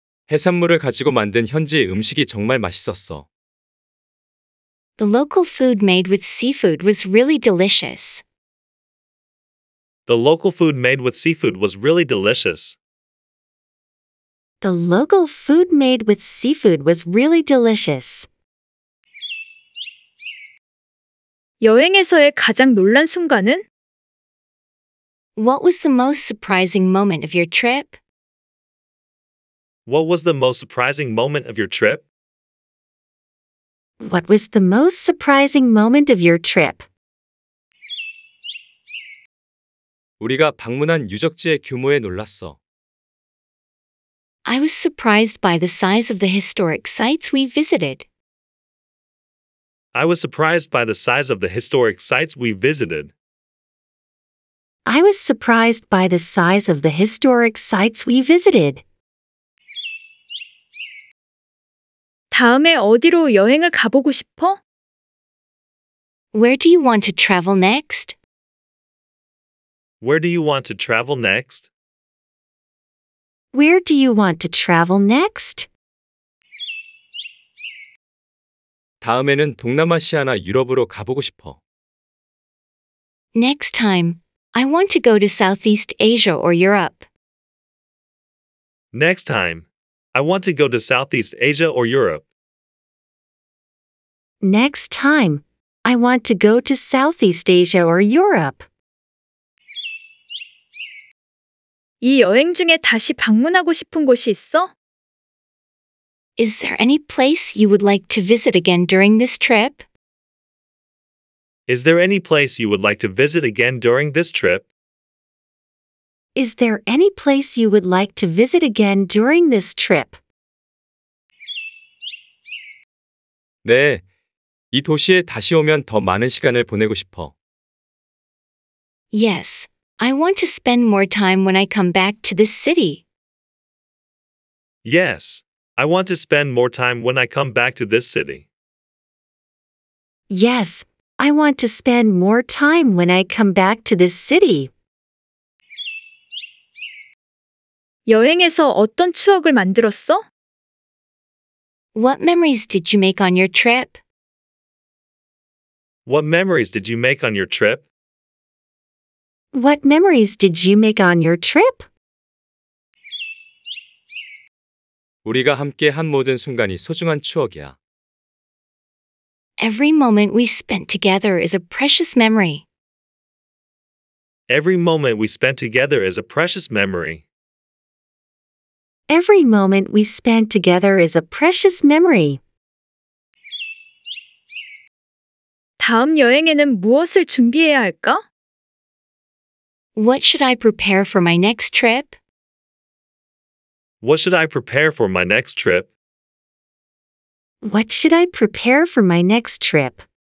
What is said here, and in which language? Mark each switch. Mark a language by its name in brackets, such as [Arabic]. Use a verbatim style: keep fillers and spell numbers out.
[Korean] 해산물을 가지고 만든 현지 음식이 정말 맛있었어. [English] The local food made with seafood was really delicious. The local food made with seafood was really delicious. The local food made with seafood was really delicious. [Korean] 여행에서의 가장 놀란 순간은? [English] What was the most surprising moment of your trip? What was the most surprising moment of your trip? What was the most surprising moment of your trip? [Korean] 우리가 방문한 유적지의 규모에 놀랐어. [English] I was surprised by the size of the historic sites we visited. I was surprised by the size of the historic sites we visited. I was surprised by the size of the historic sites we visited. [Korean] 다음에 어디로 여행을 가보고 싶어? [English] Where do you want to travel next? Where do you want to travel next? Where do you want to travel next? [Korean] 다음에는 동남아시아나 유럽으로 가보고 싶어. [English] Next time, I want to go to Southeast Asia or Europe. Next time, I want to go to Southeast Asia or Europe. Next time, I want to go to Southeast Asia or Europe. [Korean] 이 여행 중에 다시 방문하고 싶은 곳이 있어? [English] Is there any place you would like to visit again during this trip? Is there any place you would like to visit again during this trip? Is there any place you would like to visit again during this trip? [Korean] 네, 이 도시에 다시 오면 더 많은 시간을 보내고 싶어. [English] Yes, I want to spend more time when I come back to this city. Yes, I want to spend more time when I come back to this city. Yes, I want to spend more time when I come back to this city. [Korean] 여행에서 어떤 추억을 만들었어? [English] What memories did you make on your trip? What memories did you make on your trip? What memories did you make on your trip? [Korean] 우리가 함께 한 모든 순간이 소중한 추억이야. [English] Every moment we spent together is a precious memory. Every moment we spent together is a precious memory. Every moment we spent together is a precious memory. [Korean] 다음 여행에는 무엇을 준비해야 할까? [English] What should I prepare for my next trip? What should I prepare for my next trip? What should I prepare for my next trip?